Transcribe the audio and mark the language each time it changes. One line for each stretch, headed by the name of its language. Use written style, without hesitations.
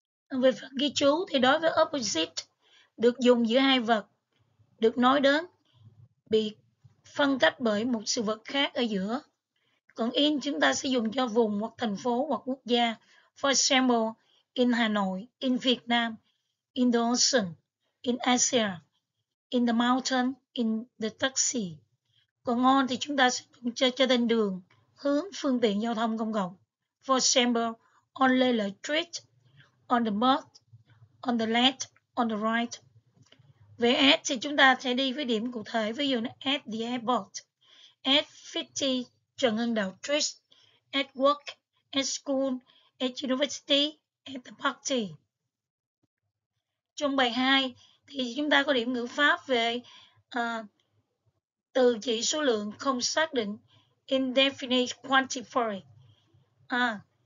Vietnamese: Về phần ghi chú thì đối với opposite được dùng giữa hai vật, được nói đến, bị phân cách bởi một sự vật khác ở giữa. Còn in chúng ta sẽ dùng cho vùng hoặc thành phố hoặc quốc gia.
English: For example, in Hà Nội, in Việt Nam, in the ocean, in Asia, in the mountain, in the taxi.
Vietnamese: Còn on thì chúng ta sẽ dùng cho tên đường, hướng phương tiện giao thông công cộng.
English: For example, on Lê Lợi Street, on the bus, on the left, on the right.
Vietnamese: Về at thì chúng ta sẽ đi với điểm cụ thể, ví dụ là
English: at the airport, at 50 trần hưng đạo Trish, at work, at school, at university, at the party.
Vietnamese: Trong bài 2 thì chúng ta có điểm ngữ pháp về từ chỉ số lượng không xác định, indefinite quantifier.